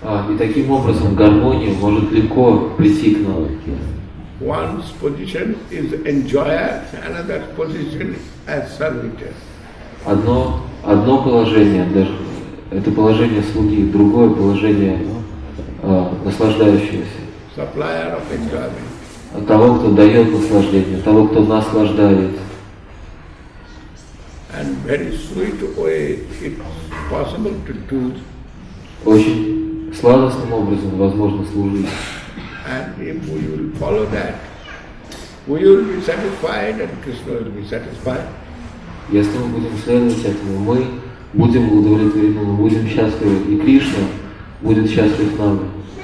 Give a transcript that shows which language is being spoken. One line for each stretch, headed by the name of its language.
Russian: И таким образом гармония может легко прийти к нам.
English: One's position is enjoyer, another position as servitor.
Russian: Одно положение, даже это положение слуги, другое положение наслаждающегося.
English: Supplier of enjoyment.
Russian: Того, кто дает наслаждение, того, кто наслаждает.
English: And very sweet way it's possible to do.
Russian: Очень сладостным образом возможно служить.
English: And if we will follow that, we will be satisfied and Krishna will be satisfied.
Russian: Если мы будем следовать этому, мы будем удовлетворены, мы будем счастливы, и Кришна будет счастлив с нами.